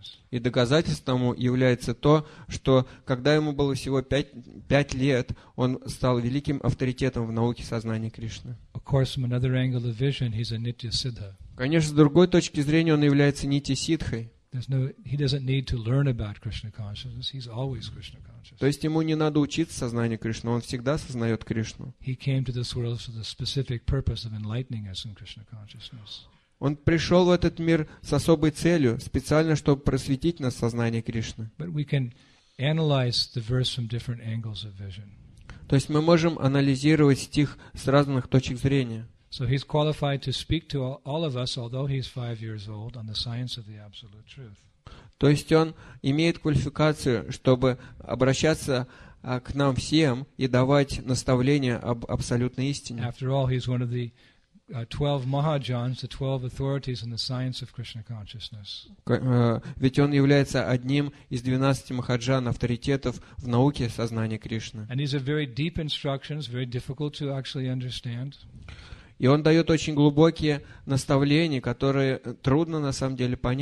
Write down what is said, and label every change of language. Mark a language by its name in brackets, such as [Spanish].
[Russian] И доказательством является то, что когда ему было всего 5 лет, он стал великим авторитетом в науке сознания Кришны. [English] Of course, from another angle of vision, he's a Nitya Siddha. [Russian] Конечно, с другой точки зрения он является Нитья Сиддхой. [English] He doesn't need to learn about Krishna consciousness. He's always Krishna conscious. [Russian] То есть ему не надо учиться сознанию Кришны. Он всегда сознает Кришну. [English] He came to this world for the specific purpose of enlightening us in Krishna consciousness. [Russian] Он пришел в этот мир с особой целью, специально чтобы просветить нас сознание Кришны. [English] But we can analyze the verse from different angles of vision. [Russian] То есть мы можем анализировать стих с разных точек зрения. [English] So he's qualified to speak to all of us, although he's 5 years old, on the science of the absolute truth. [Russian] То есть он имеет квалификацию, чтобы обращаться к нам всем и давать наставления об абсолютной истине. [English] After all, he's one of the 12 Mahajans, the 12 authorities in the science of Krishna consciousness. [Russian] Ведь он является одним из 12 Mahajan, авторитетов в науке сознания Кришны. [English] And these are very deep instructions, very difficult to actually understand. [Russian] И он дает очень глубокие наставления, которые трудно на самом деле